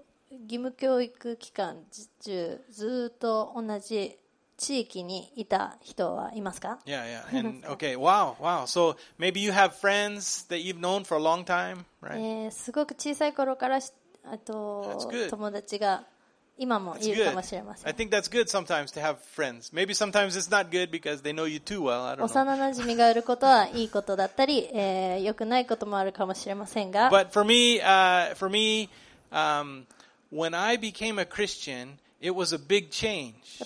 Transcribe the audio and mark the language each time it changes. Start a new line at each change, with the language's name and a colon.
Japanese: 義務教育期間中ずっと同じ地域にいた人はいますか?
English: Yeah, yeah. And okay. Wow, wow. So maybe you have friends that you've known for a long time, right?
Japanese: すごく小さい頃からあと友達が今もいるかもしれません。
English: I think that's good sometimes to have friends. Maybe sometimes it's not good because they know you too well. I don't know.
Japanese: 幼馴染があることはいいことだったり、良くないこともあるかもしれませんが。
English: But for me, when I became a Christian,It was a big change.